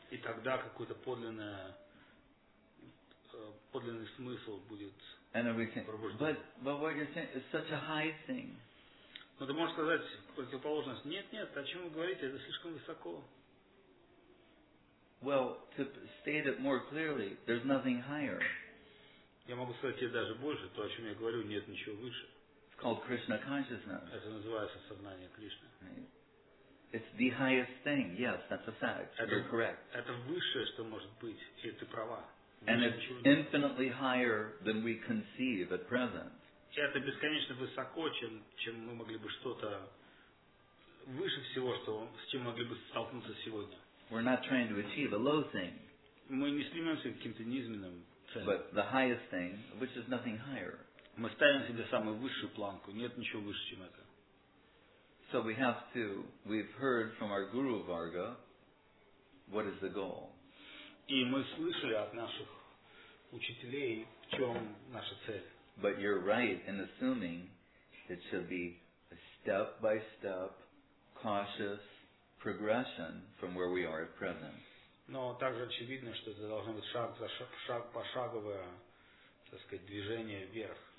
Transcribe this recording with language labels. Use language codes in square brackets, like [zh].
[ru] И тогда какой-то подлинный смысл будет пробужден. [en] But what you're saying is such a high thing. [ru] Но ты можешь сказать противоположность. Нет, о чем вы говорите, это слишком высоко. [en] Well, to state it more clearly, there's nothing higher. [ru] Я могу сказать тебе даже больше, то, о чем я говорю, нет ничего выше. [en] It's called Krishna consciousness. [ru] Это называется сознание Кришны. [en] Right. It's the highest thing. Yes, that's a fact. [ru] Это, [en] you're correct. [ru] Это высшее, что может быть, и ты права. [en] And it's infinitely higher than we conceive at present. [ru] Это бесконечно высоко, чем мы могли бы что-то выше всего, что с чем могли бы столкнуться сегодня. [en] We're not trying to achieve a low thing. [ru] Мы не стремимся к каким-то низменным целям. [en] But the highest thing, which is nothing higher. [ru] Мы ставим себе самую высшую планку. Нет ничего выше, чем это. [en] So we have to. We've heard from our guru Varga. What is the goal? [ru] И мы слышали от наших учителей, в чем наша цель. [en] But you're right in assuming it should be a step by step, cautious progression from where we are at present. [ru] Но также очевидно, что это должно быть шаг за шаг, пошаговое, так сказать, движение вверх.